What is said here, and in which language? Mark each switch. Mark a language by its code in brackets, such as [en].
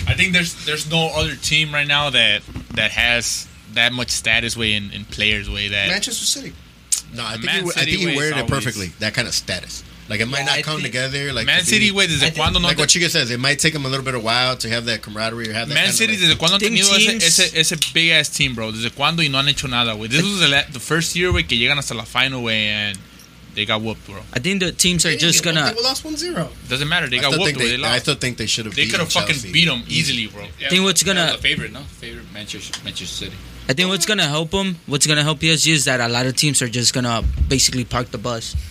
[en] I think there's no other team right now that has that much status way in players way that... Manchester City. No, I think he wears it perfectly. That kind of status. Like, it might not come together. Like [es] Man City, wait, desde cuando [en] no... Like what Chica says, it might take them a little bit of while to have that camaraderie or have that [es] Man City, desde cuando han tenido ese [en] big-ass team, bro. [es] Desde cuando y no han hecho nada, wey. [en] This was the first year, wey, [es] que llegan hasta la final, [en] wey, and they got whooped, bro. I think the teams are just gonna... They lost 1-0. Doesn't matter. They got whooped, bro. I still think they should have beat Chelsea. They could have fucking beat them easily, bro. I think what's gonna... The favorite, no? Favorite, Manchester City. I think what's gonna help them, what's gonna help PSG is that a lot of teams are just gonna basically park the bus.